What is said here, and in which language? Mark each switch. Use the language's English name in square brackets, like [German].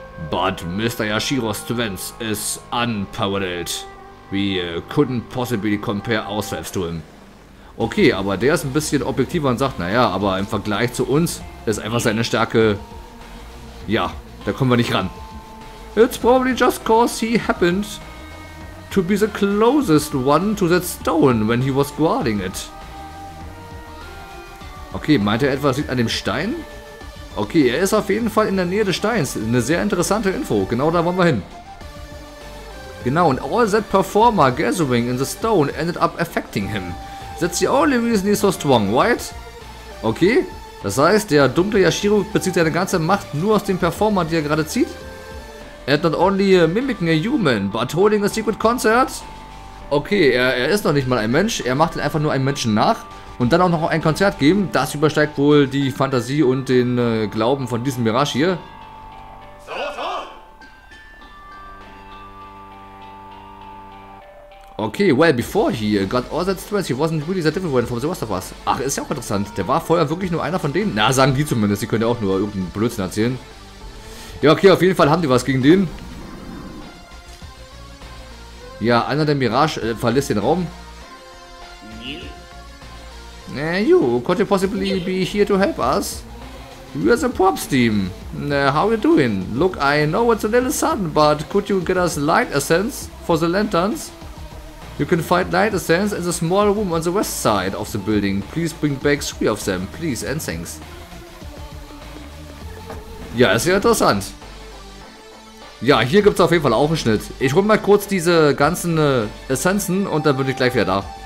[English] But Mr. Yashiro's strength is unparalleled. We couldn't possibly compare ourselves to him. [German] Okay, aber der ist ein bisschen objektiver und sagt, naja, aber im Vergleich zu uns ist einfach seine Stärke. Ja, da kommen wir nicht ran. [English] It's probably just cause he happened to be the closest one to that stone when he was guarding it. [German] Okay, meint er etwas liegt an dem Stein? Okay, er ist auf jeden Fall in der Nähe des Steins. Eine sehr interessante Info. Genau da wollen wir hin. [English] Genau, and all that performer gathering in the stone ended up affecting him. That's the only reason he's so strong, right? [German] Okay, das heißt, der dunkle Yashiro bezieht seine ganze Macht nur aus dem Performer, die er gerade zieht. Er hat [English] not only mimicking a human, but holding a secret concert. [German] Okay, er ist noch nicht mal ein Mensch. Er macht ihn einfach nur einem Menschen nach. Und dann auch noch ein Konzert geben, das übersteigt wohl die Fantasie und den Glauben von diesem Mirage hier. [English] Okay, well, before he got all that strength, he wasn't really that different from the rest of us. [German] Ach, ist ja auch interessant. Der war vorher wirklich nur einer von denen. Na, sagen die zumindest. Die können ja auch nur irgendeinen Blödsinn erzählen. Ja, okay, auf jeden Fall haben die was gegen den. Ja, einer der Mirage verlässt den Raum. [English] You, could you possibly be here to help us? We're the props team. How are you doing? Look, I know it's a little sudden, but could you get us light essence for the lanterns? You can find light essence in the small room on the west side of the building. Please bring back three of them, please, and thanks. [German] Ja, ist ja interessant. Ja, hier gibt's auf jeden Fall auch einen Schnitt. Ich hol mal kurz diese ganzen Essenzen und dann bin ich gleich wieder da.